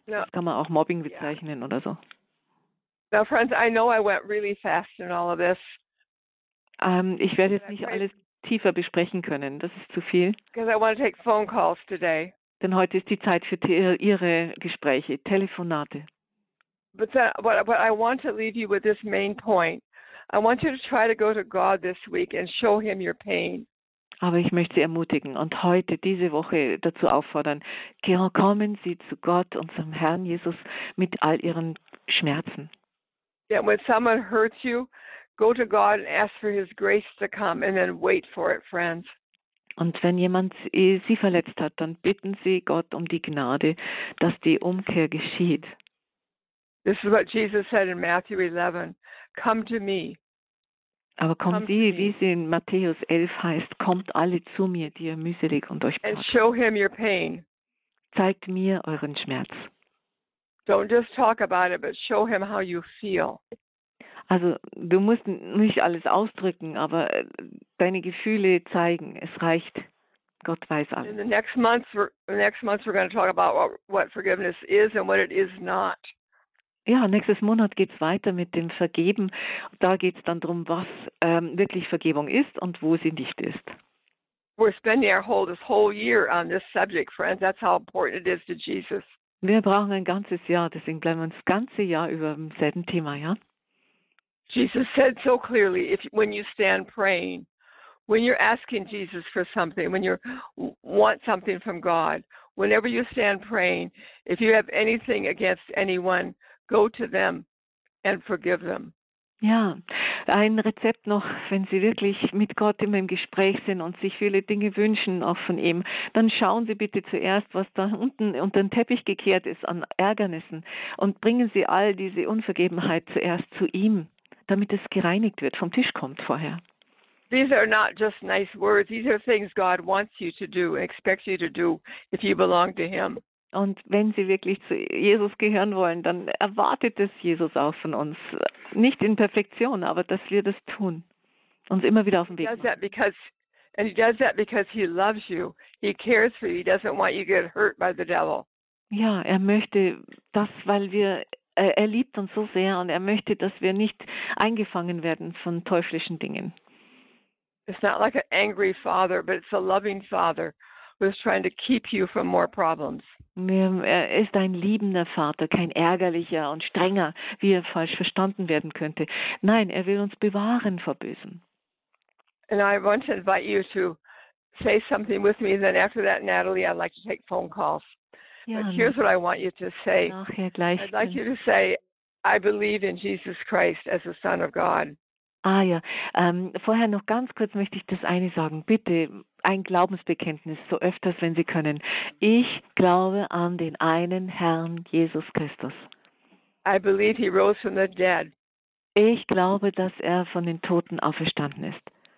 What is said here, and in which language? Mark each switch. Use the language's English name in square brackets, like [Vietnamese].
[English] Now, [German] das kann man auch Mobbing bezeichnen oder so. [English] Now, friends, I know I went really fast in all of this. [German] Ich werde jetzt nicht alles tiefer besprechen können. Das ist zu viel. [English] Because I want to take phone calls today. [German] Denn heute ist die Zeit für Ihre Gespräche, Telefonate. [English] But I want to leave you with this main point. I want you to try to go to God this week and show him your pain. [German] Aber ich möchte Sie ermutigen und heute diese Woche dazu auffordern, kommen Sie zu Gott, unserem Herrn Jesus, mit all Ihren Schmerzen. [English] Yeah, when someone hurts you, go to God and ask for his grace to come and then wait for it, friends. [German] Und wenn jemand Sie verletzt hat, dann bitten Sie Gott um die Gnade, dass die Umkehr geschieht. [English] This is what Jesus said in Matthew 11. Come to me. [German] Aber kommt sie, wie es in Matthäus 11 heißt, kommt alle zu mir, die ihr mühselig und euch plagt. [English] And show him your pain. [German] Zeigt mir euren Schmerz. [English] Don't just talk about it, but show him how you feel. [German] Also, du musst nicht alles ausdrücken, aber deine Gefühle zeigen. Es reicht. Gott weiß alles. [English] In the next month, we're going to talk about what forgiveness is and what it is not. [German] Ja, nächstes Monat geht's weiter mit dem Vergeben. Da geht's dann darum, was wirklich Vergebung ist und wo sie nicht ist. [English] We're spending this whole year on this subject, friends. That's how important it is to Jesus. [German] Wir brauchen ein ganzes Jahr, deswegen bleiben wir das ganze Jahr über dem selben Thema, ja? [English] Jesus said so clearly, when you stand praying, when you're asking Jesus for something, when you want something from God, whenever you stand praying, if you have anything against anyone, go to them and forgive them. [German] Ja, ein Rezept noch, wenn Sie wirklich mit Gott immer im Gespräch sind und sich viele Dinge wünschen, auch von ihm, dann schauen Sie bitte zuerst, was da unten unter den Teppich gekehrt ist an Ärgernissen und bringen Sie all diese Unvergebenheit zuerst zu ihm, damit es gereinigt wird, vom Tisch kommt vorher. [English] These are not just nice words. These are things God wants you to do, expects you to do, if you belong to him. [German] Und wenn Sie wirklich zu Jesus gehören wollen, dann erwartet es Jesus auch von uns. Nicht in Perfektion, aber dass wir das tun. Uns immer wieder auf den Weg machen. [English] He does that because he loves you. He cares for you. He doesn't want you to get hurt by the devil. [German] Ja, er möchte das, weil wir, er liebt uns so sehr und er möchte, dass wir nicht eingefangen werden von teuflischen Dingen. [English] It's not like an angry father, but it's a loving father who's trying to keep you from more problems. [German] Er ist ein liebender Vater, kein ärgerlicher und strenger, wie er falsch verstanden werden könnte. Nein, er will uns bewahren vor Bösen. [English] And I want to invite you to say something with me, and then after that, Natalie, I'd like to take phone calls. [German] Ja, [English] but here's what I want you to say. [German] Nachher gleich. [English] I'd like you to say, I believe in Jesus Christ as the Son of God. [German] Ah ja, vorher noch ganz kurz möchte ich das eine sagen. Bitte ein Glaubensbekenntnis, so öfters, wenn Sie können. Ich glaube an den einen Herrn Jesus Christus. [English] I believe he rose from the dead. [German] Ich glaube, dass er von den Toten auferstanden ist.